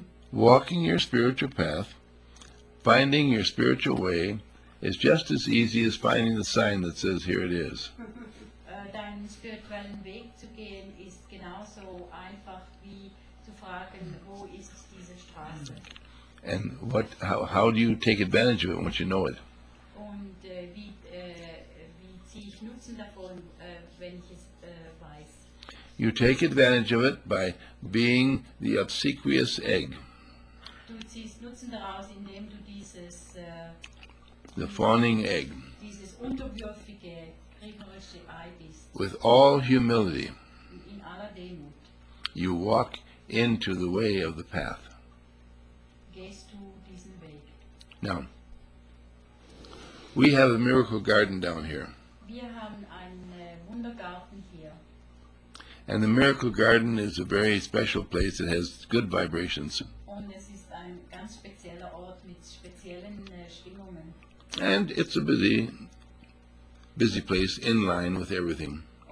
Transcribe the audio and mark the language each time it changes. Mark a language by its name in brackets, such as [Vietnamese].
[English] Walking your spiritual path, finding your spiritual way, it's just as easy as finding the sign that says, here it is. [German] Deinen spirituellen Weg zu gehen ist genauso einfach wie zu fragen, wo ist diese Straße. [English] And what, how do you take advantage of it once you know it? [German] Und wie ziehe ich Nutzen davon, wenn ich es weiß? [English] You take advantage of it by being the obsequious egg. [German] Du ziehst Nutzen daraus, indem du dieses... [English] the fawning egg. [German] Dieses unterwürfige, kriegerische Ei bist. [English] With all humility, [German] in aller Demut, [English] you walk into the way of the path. [German] Gehst du diesen Weg. [English] Now, we have a miracle garden down here. [German] Wir haben einen Wundergarten hier. [English] And the miracle garden is a very special place. It has good vibrations. [German] Und es ist ein ganz spezieller Ort mit speziellen Schwingungen. [English] And it's a busy, busy place in line with everything.